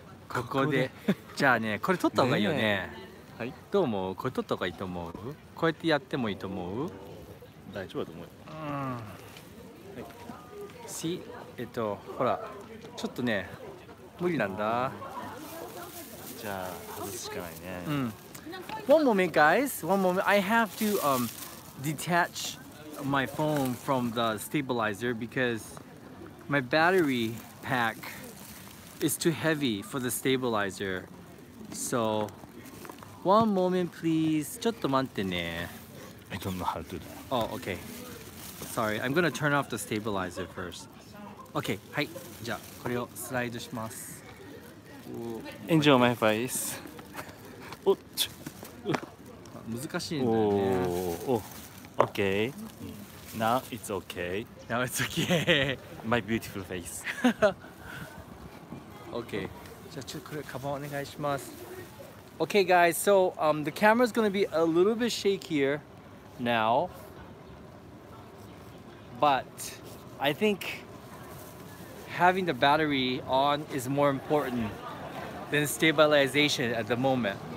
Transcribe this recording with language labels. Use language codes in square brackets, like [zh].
[ja] ここでじゃあねこれ撮った方がいいよ ね, ねはいどう思うこれ撮った方がいいと思うこうやってやってもいいと思う大丈夫だと思う、うん、はい、ほらちょっとね無理なんだじゃあ外すしかないね [en] うん One moment guys One moment I have to detach my phone from the stabilizer because my battery packIt's too heavy for the stabilizer. So, one moment, please. [ja] ちょっと待ってね。 [en] I don't know how to do that. Oh, okay. Sorry, I'm gonna turn off the stabilizer first. Okay, はい。 [ja] じゃあ、これをスライドします。 [en] Enjoy my face. おっち [ja] ょ。難しいんだよね。 [en] おお。Okay. Now it's okay. Now it's okay. My beautiful face. [ja] Okay, じゃあちょっとこれカバンお願いします。 [en] Okay, guys. So, the camera is gonna be a little bit shakier now, but I think having the battery on is more important than stabilization at the moment.